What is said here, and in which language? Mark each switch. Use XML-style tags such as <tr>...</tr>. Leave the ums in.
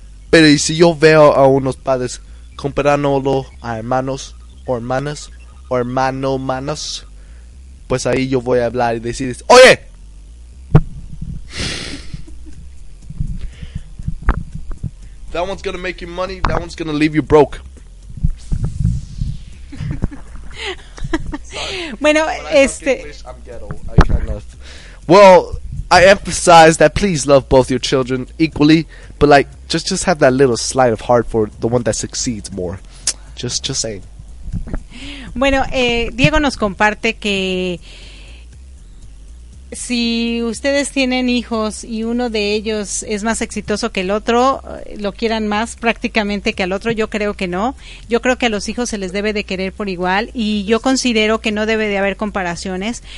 <es>Pero ¿y si yo veo a unos padres comparándolo a hermanos o hermanas o hermano manas, pues ahí yo voy a hablar y decir, "Oye,</es> <en>That one's gonna make you money. That one's gonna leave you broke.</en> <es>bueno, este.</es> <en>English, I'm ghetto. I cannot. Well, I emphasize that please love both your children equally, but like just just have that little slight of heart for the one that succeeds more. Just just saying.</en> <es>Bueno, eh, Diego nos comparte que si ustedes tienen hijos y uno de ellos es más exitoso que el otro, lo quieran más prácticamente que al otro, yo creo que no. Yo creo que a los hijos se les debe de querer por igual y yo considero que no debe de haber comparaciones.</es>